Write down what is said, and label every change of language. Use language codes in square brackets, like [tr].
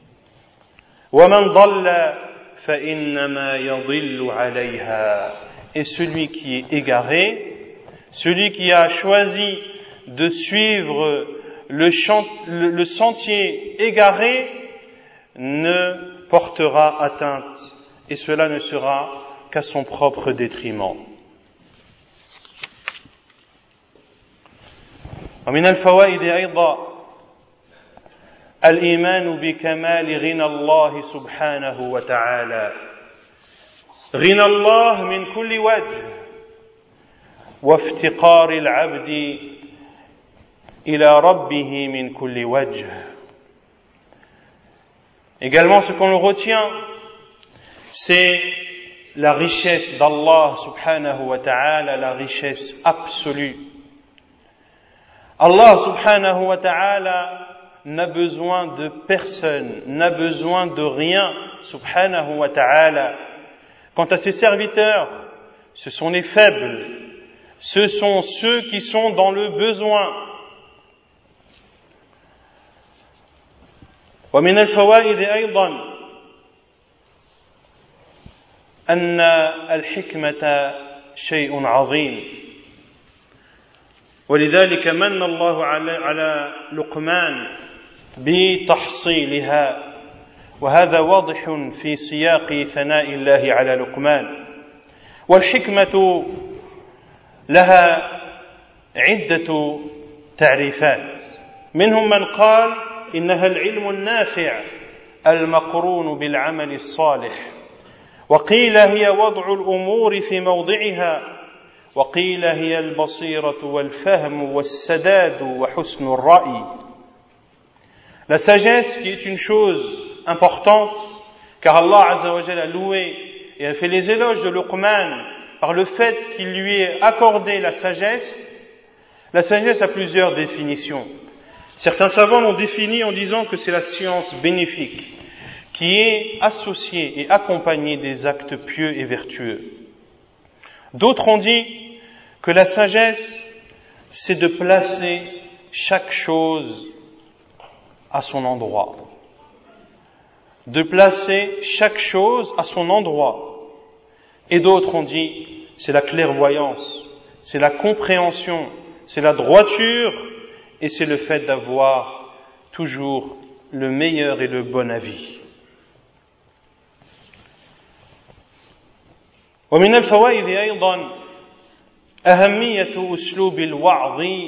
[ar] « Wa man dalla fa innama yadillu alayha. [fr] » Et celui qui est égaré, celui qui a choisi de suivre le sentier égaré, ne portera atteinte, et cela ne sera qu'à son propre détriment. [ar] ومن الفوائد أيضا الإيمان بكمال غنى الله سبحانه وتعالى. غنى الله من كل وجه وافتقار العبد إلى ربه من كل وجه. [fr] Également, ce qu'on retient, c'est la richesse d'Allah subhanahu wa ta'ala, la richesse absolue. Allah subhanahu wa ta'ala n'a besoin de personne, n'a besoin de rien, subhanahu wa ta'ala. Quant à ses serviteurs, ce sont les faibles, ce sont ceux qui sont dans le besoin. [ar] ومن الفوائد أيضا أن الحكمة شيء عظيم. ولذلك من الله على لقمان بتحصيلها، وهذا واضح في سياق ثناء الله على لقمان. والحكمة لها عدة تعريفات، منهم من قال إنها العلم النافع المقرون بالعمل الصالح، وقيل هي وضع الأمور في موضعها، وقيل هي البصيرة والفهم والسداد وحسن الرأي. [fr] La sagesse, qui est une chose importante, car Allah Azza wa Jalla a loué et a fait les éloges de Luqman par le fait qu'il lui ait accordé la sagesse. La sagesse a plusieurs définitions. Certains savants l'ont défini en disant que c'est la science bénéfique qui est associée et accompagnée des actes pieux et vertueux. D'autres ont dit que la sagesse, c'est de placer chaque chose à son endroit. De placer chaque chose à son endroit. Et d'autres ont dit, c'est la clairvoyance, c'est la compréhension, c'est la droiture, et c'est le fait d'avoir toujours le meilleur et le bon avis. [ar] ومن الفوائد أيضا أهمية أسلوب الوعظ